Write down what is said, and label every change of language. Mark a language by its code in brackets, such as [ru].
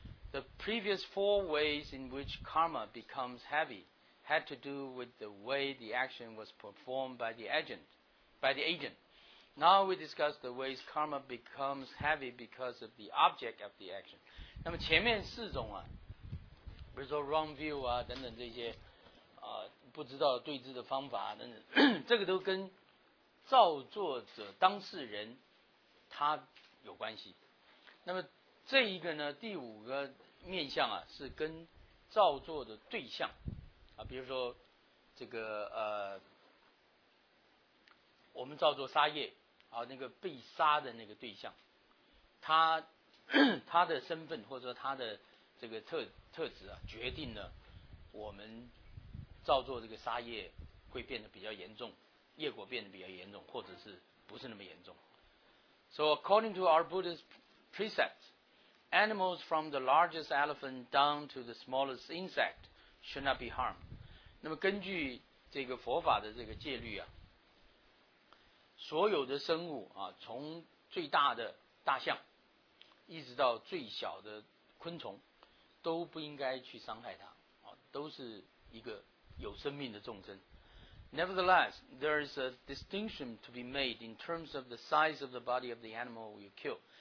[en] The previous four ways in which karma becomes heavy had to do with the way the action was performed by the agent. Now we discuss the ways karma becomes heavy because of the object of the action. [zh] 那么前面四种啊，比如说 wrong view 啊等等这些啊、不知道对治的方法、啊、等等，这个都跟造作者当事人他有关系。那么这一个呢，第五个面向啊，是跟造作的对象啊，比如说这个我们造作杀业啊，那个被杀的那个对象，他的身份或者说他的这个特质啊，决定了我们造作这个杀业会变得比较严重，业果变得比较严重，或者是不是那么严重。 [en] So according to our Buddhist precepts. Animals from the largest elephant down to the smallest insect should not be harmed. [zh] 那么根据这个佛法的这个戒律啊，所有的生物啊，从最大的大象一直到最小的昆虫都不应该去伤害它、啊、都是一个有生命的众生。 [en] Nevertheless, there is a distinction to be made in terms of the size of the body of the animal you kill.